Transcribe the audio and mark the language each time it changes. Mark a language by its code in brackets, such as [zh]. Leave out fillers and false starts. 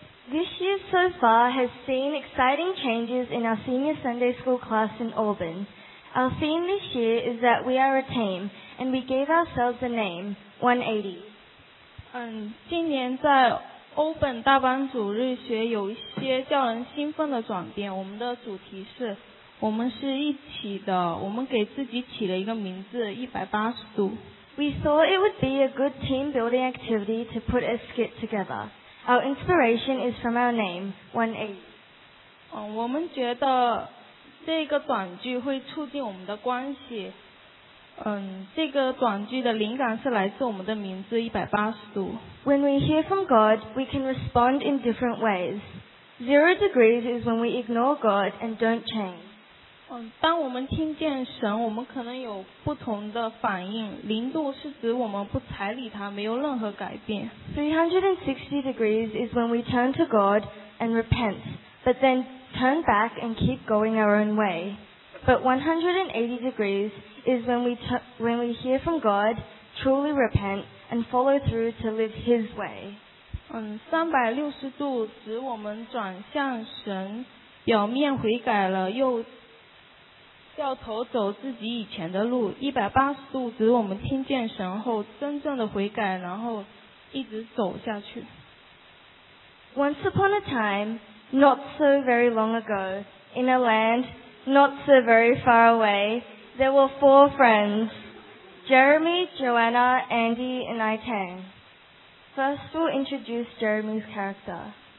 [en] This year so far has seen exciting changes in our senior Sunday school class in Auburn. Our theme this year is that we are a teamAnd we gave ourselves a name, 180. [zh] 今年在 Open 大班组日学有一些叫人兴奋的转变。我们的主题是，我们是一起的。我们给自己起了一个名字，180度。 [en] We thought it would be a good team building activity to put a skit together. Our inspiration is from our name, 180. [zh] 我们觉得这个短剧会促进我们的关系。这个短句的灵感是来自我们的名字180度。 [en] When we hear from God, we can respond in different ways. 0 degrees is when we ignore God and don't change. [zh] 当我们听见神，我们可能有不同的反应。零度是指我们不睬理他，没有任何改变。 [en] 360 degrees is when we turn to God and repent, but then turn back and keep going our own way. But 180 degrees is when we hear from God, truly repent, and follow through to live His way. [zh] 360度使我们转向神，表面悔改了又掉头走自己以前的路。 180度使我们听见神后真正的悔改，然后一直走下去。 [en] Once upon a time, not so very long ago, in a land not so very far away, there were four friends, Jeremy, Joanna, Andy, and Itang. First, we'll introduce Jeremy's character.